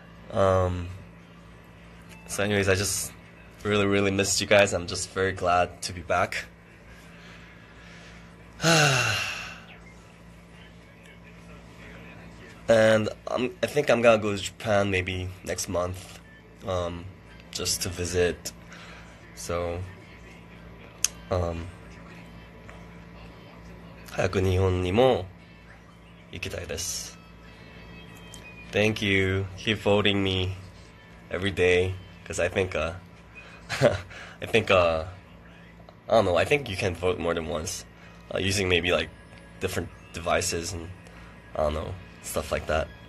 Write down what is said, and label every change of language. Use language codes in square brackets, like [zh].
[en] So anyways, I just really, really missed you guys. I'm just very glad to be back. And I think I'm gonna go to Japan maybe next month, just to visit. [ja] So, 早く日本にも行きたいです。 [en] Thank you. Keep voting me every day, because I think you can vote more than once, using maybe like different devices and I don't know. Stuff like that.